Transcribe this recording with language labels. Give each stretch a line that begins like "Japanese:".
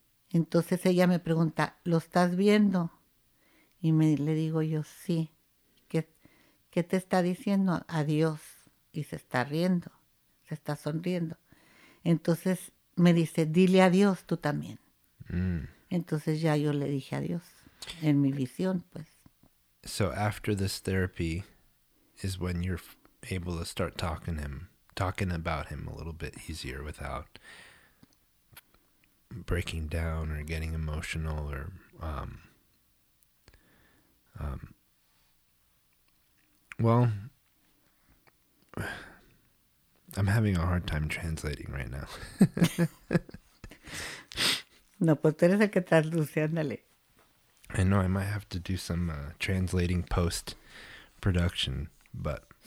Spanish: Entonces ella me pregunta, ¿lo estás viendo? Y me le digo yo, sí. ¿Qué te está diciendo? Adiós. Y se está riendo, se está sonriendo. Entonces me dice, dile adiós tú también. Entonces ya yo le dije adiós en mi visión, pues.
English: So after this therapy is when you're able to start talking about him a little bit easier without breaking down or getting emotional or well, I'm having a hard time translating right now.
Spanish: No, pues tú eres el que traduce, ándale.
English: I know, I might have to do some translating post-production, but